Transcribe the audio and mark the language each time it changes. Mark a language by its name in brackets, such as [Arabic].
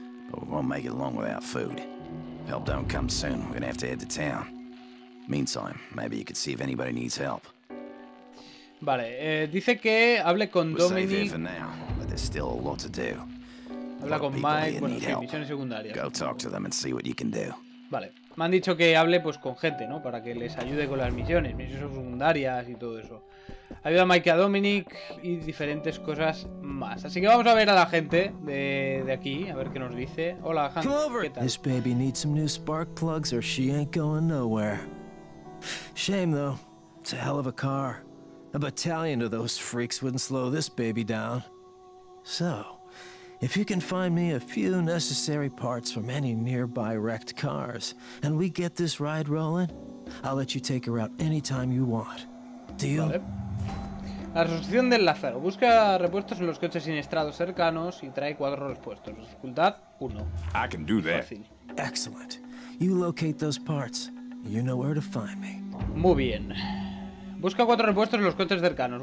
[English] But we won't make it long without food. Help don't come soon. We're gonna have to head to town. Meantime, maybe you could see if anybody needs help. [Spanish] Vale, dice que hable con Dominic. [English] But there's still a lot to do. [Spanish] Habla con Mike, bueno, sí, misiones secundarias. [English] Go talk to them and see what you can do. [Spanish] Vale, me han dicho que hable pues con gente, ¿no? Para que les ayude con las misiones, misiones secundarias y todo eso. Ayuda a Mike y a Dominic y diferentes cosas más. Así que vamos a ver a la gente de aquí, a ver qué nos dice. Hola, Hank, ¿qué tal? [English] This baby needs some new spark plugs or she ain't going nowhere. Shame though, it's a hell of a car. A battalion of those freaks wouldn't slow this baby down. So, if you can find me a few necessary parts from any nearby wrecked cars, and we get this ride rolling, I'll let you take her out anytime you want. Deal? [Spanish] Vale. La resolución del Lázaro. Busca repuestos en los coches siniestrados cercanos y trae cuatro repuestos. Dificultad 1. [English] I can do that. [Spanish] Fácil. [English] Excellent. You locate those parts. You know where to find me. [Spanish] Muy bien. Busca cuatro repuestos en los coches cercanos.